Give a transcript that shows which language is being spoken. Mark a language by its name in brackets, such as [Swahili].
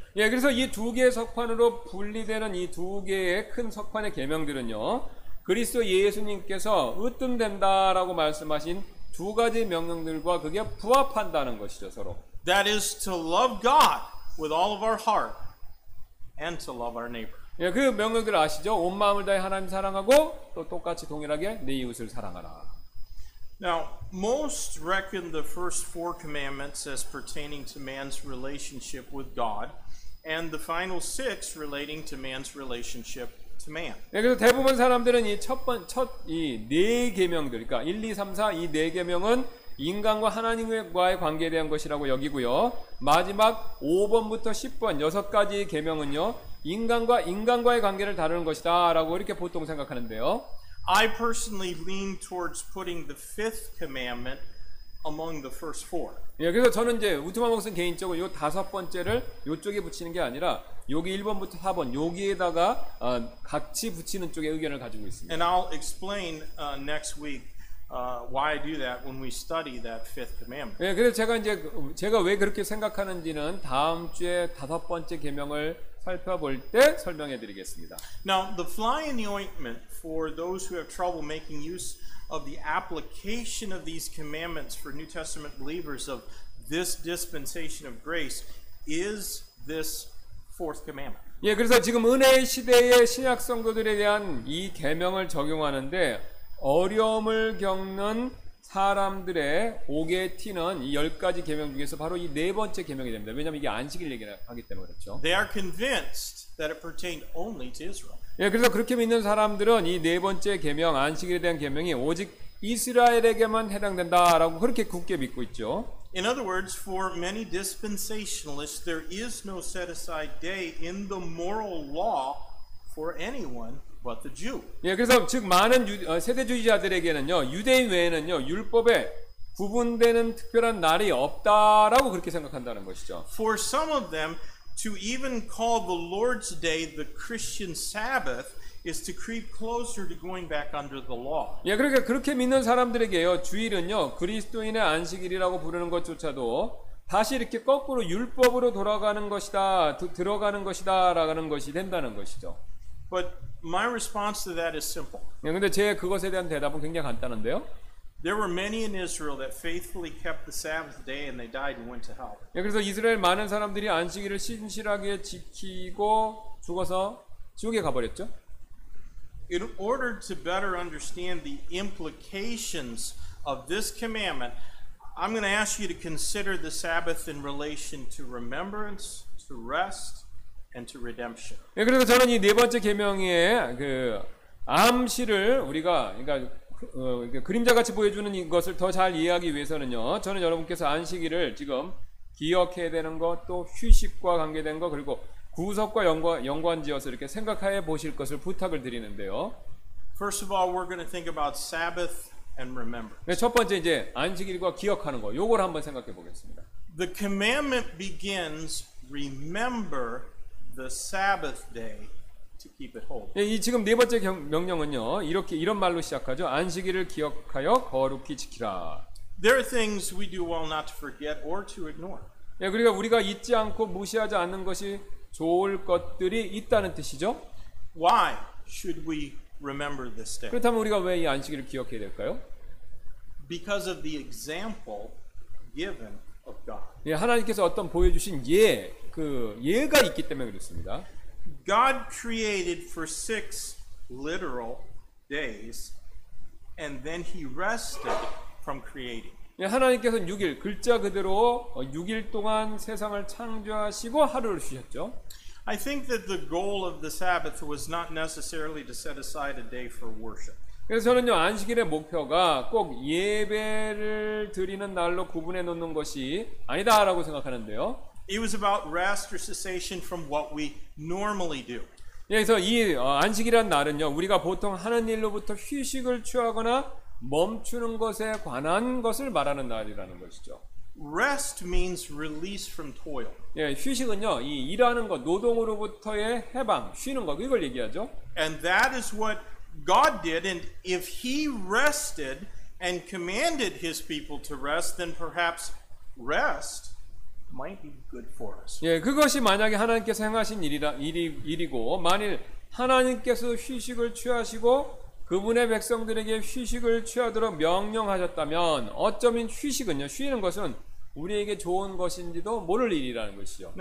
[Korean] 예, 그래서 이 두 개의 석판으로 분리되는 이 두 개의 큰 석판의 계명들은요, 그리스도 예수님께서 으뜸된다라고 말씀하신 두 가지 명령들과 그게 부합한다는 것이죠, 서로. [English] That is to love God with all of our heart and to love our neighbor. [Korean] 예, 그 명령들 아시죠? 온 마음을 다해 하나님 사랑하고 또 똑같이 동일하게 내 이웃을 사랑하라. [English] Now, most reckon the first four commandments as pertaining to man's relationship with God, and the final six relating to man's relationship to man. [Korean] 예, 그래서 대부분 사람들은 이 첫 이 네 계명들, 그러니까 1, 2, 3, 4 이 네 계명은 인간과 하나님과의 관계에 대한 것이라고 여기고요. 마지막 5번부터 10번 여섯 가지 계명은요, 인간과 인간과의 관계를 다루는 것이다라고 이렇게 보통 생각하는데요. [English] I personally lean towards putting the fifth commandment among the first four. [Korean] 예, 그래서 저는 이제 우트만 목사님 개인적으로 요 다섯 번째를 요쪽에 붙이는 게 아니라 여기 1번부터 4번 여기에다가 같이 붙이는 쪽에 의견을 가지고 있습니다. [English] And I'll explain next week why I do that when we study that fifth commandment. [Korean] 예, 그래서 제가 왜 그렇게 생각하는지는 다음 주에 다섯 번째 계명을 살펴볼 때 설명해 드리겠습니다. [English] Now, the fly in the ointment for those who have trouble making use of the application of these commandments for New Testament believers of this dispensation of grace is this fourth commandment. [Korean] 예, 그래서 지금 은혜의 시대의 신약 성도들에 대한 이 계명을 적용하는데 어려움을 겪는 사람들의 옥에 튀는 이 열 가지 계명 중에서 바로 이 네 번째 계명이 됩니다. 왜냐하면 이게 안식일 얘기를 하기 때문에 그렇죠. [English] They are convinced that it pertained only to Israel. [Korean] 예, 그래서 그렇게 믿는 사람들은 이 네 번째 계명, 안식일에 대한 계명이 오직 이스라엘에게만 해당된다라고 그렇게 굳게 믿고 있죠. [English] In other words, for many dispensationalists, there is no set aside day in the moral law for anyone. But the Jew. [Korean] 예, 그래서 즉 많은 세대주의자들에게는요 유대인 외에는요 율법에 구분되는 특별한 날이 없다라고 그렇게 생각한다는 것이죠. [English] For some of them, to even call the Lord's Day the Christian Sabbath is to creep closer to going back under the law. [Korean] 예, 그러니까 그렇게 믿는 사람들에게요 주일은요 그리스도인의 안식일이라고 부르는 것조차도 다시 이렇게 거꾸로 율법으로 돌아가는 것이다, 들어가는 것이다라는 것이 된다는 것이죠. [English] But my response to that is simple. [Korean] 네, 근데 제 그것에 대한 대답은 굉장히 간단한데요. [English] There were many in Israel that faithfully kept the Sabbath day and they died and went to hell. [Korean] 네, 그래서 이스라엘 많은 사람들이 안식일을 신실하게 지키고 죽어서 지옥에 가버렸죠. [English] In order to better understand the implications of this commandment, I'm going to ask you to consider the Sabbath in relation to remembrance, to rest, and to redemption. [Korean] 예, 그래서 저는 이 네 번째 계명의 그 암시를 우리가 그러니까 그림자 같이 보여주는 것을 더 잘 이해하기 위해서는요, 저는 여러분께서 안식일을 지금 기억해야 되는 것, 또 휴식과 관계된 것, 그리고 구속과 연관지어서 이렇게 생각해 보실 것을 부탁을 드리는데요. [English] First of all, we're going to think about Sabbath. And remember. [Korean] 네, 첫 번째 이제 안식일과 기억하는 거, 요걸 한번 생각해 보겠습니다. [English] The commandment begins, remember the Sabbath day to keep it holy. [Korean] 네, 이 지금 네 번째 명령은요, 이렇게 이런 말로 시작하죠. 안식일을 기억하여 거룩히 지키라. [English] There are things we do well not to forget or to ignore. [Korean] 네, 그러니까 우리가 잊지 않고 무시하지 않는 것이 좋을 것들이 있다는 뜻이죠. [English] Why should we remember this day? [Korean] 그렇다면 우리가 왜 이 안식일을 기억해야 될까요? [English] Because of the example given of God. [Korean] 예, 하나님께서 어떤 보여주신 예, 그 예가 있기 때문에 그렇습니다. [English] God created for six literal days and then he rested from creating. [Korean] 예, 하나님께서는 6일, 글자 그대로 6일 동안 세상을 창조하시고 하루를 쉬셨죠. [English] I think that the goal of the Sabbath was not necessarily to set aside a day for worship. [Korean] 그래서 저는요, 안식일의 목표가 꼭 예배를 드리는 날로 구분해 놓는 것이 아니다라고 생각하는데요. [English] It was about rest or cessation from what we normally do. [Korean] 그래서 이 안식일이라는 날은요, 우리가 보통 하는 일로부터 휴식을 취하거나 멈추는 것에 관한 것을 말하는 날이라는 것이죠. [English] Rest means release from toil. [Korean] 예, 휴식은요, 이 일하는 것, 노동으로부터의 해방, 쉬는 것, 이걸 얘기하죠. [English] And that is what God did. And if He rested and commanded His people to rest, then perhaps rest might be good for us. [Korean] 예, 그것이 만약에 하나님께서 행하신 일이고, 만일 하나님께서 휴식을 취하시고 그분의 백성들에게 휴식을 취하도록 명령하셨다면 어쩌면 휴식은요, 쉬는 것은 우리에게 좋은 것인지도 모를 일이라는 것이죠.